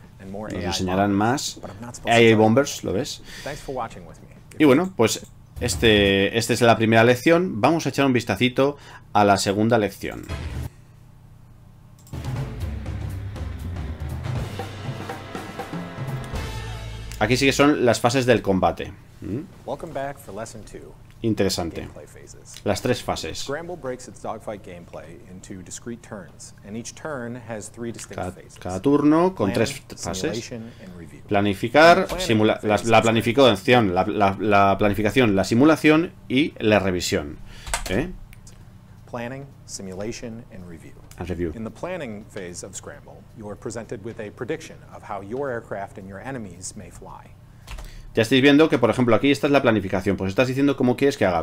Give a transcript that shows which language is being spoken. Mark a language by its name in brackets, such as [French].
[Spanish] Nos enseñarán más AI Bombers, ¿lo ves? Y bueno, pues este es la primera lección. Vamos a echar un vistacito a la segunda lección. Aquí sí que son las fases del combate. [English] Welcome back for lesson two. [Spanish] Interesante. Las tres fases. [English] Scramble breaks its dogfight gameplay into discrete turns, and each turn has three distinct phases. [Spanish] Cada turno con tres fases. Planificar, la planificación, la planificación, la simulación y la revisión. [English] Planning, simulation and review. In the planning phase of Scramble, you are presented with a prediction of how your aircraft and your enemies may fly. [Spanish] Ya estáis viendo que, por ejemplo, aquí esta es la planificación. Pues estás diciendo cómo quieres que haga.